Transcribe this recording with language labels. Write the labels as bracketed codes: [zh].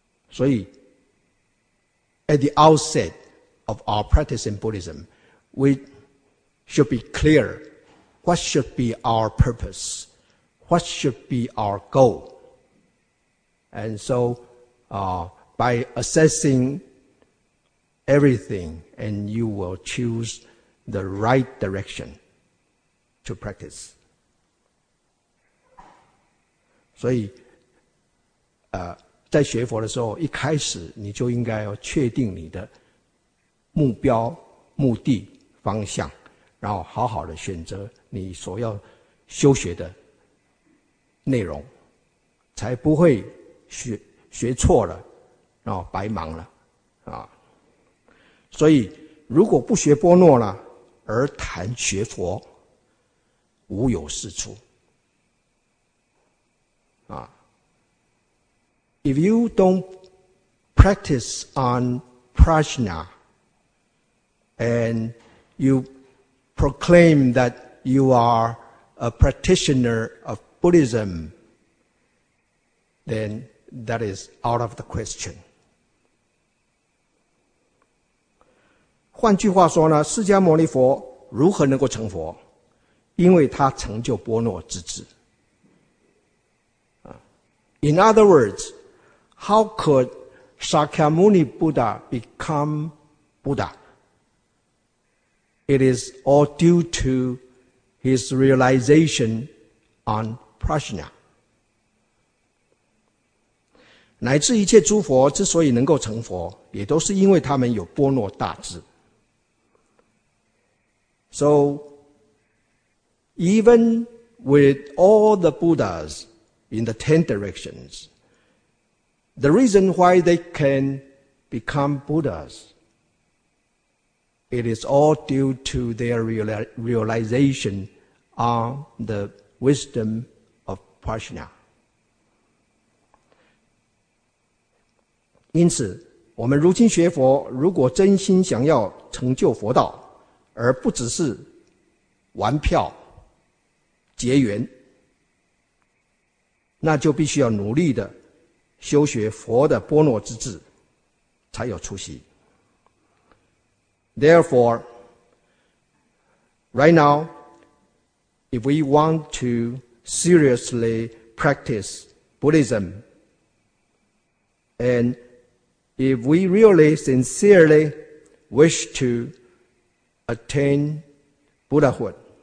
[zh] 所以 [en] ，at the outset of our practice in Buddhism, we should be clear what should be our purpose, what should be our goal. And so, by assessing everything, and you will choose the right direction to practice. [zh] 所以，在学佛的时候，一开始你就应该要确定你的目标、目的、方向，然后好好的选择你所要修学的内容，才不会学错了，然后白忙了啊。所以，如果不学波若呢，而谈学佛，无有是处啊。 [en] If you don't practice on prajna and you proclaim that you are a practitioner of Buddhism, then that is out of the question. [zh] 换句话说呢，释迦牟尼佛如何能够成佛？因为他成就波若之智。 [en] In other words,How could Shakyamuni Buddha become Buddha? It is all due to his realization on prajna. [zh] 乃至一切诸佛之所以能够成佛，也都是因为他们有波若大智。 [en] So, even with all the Buddhas in the ten directions,The reason why they can become Buddhas, it is all due to their realization on the wisdom of prajna. [zh] 因此，我们如今学佛，如果真心想要成就佛道，而不只是玩票、结缘，那就必须要努力的修学佛的波若之智，才有出息。 [en] Therefore, right now, if we want to seriously practice Buddhism, and if we really sincerely wish to attain Buddhahood,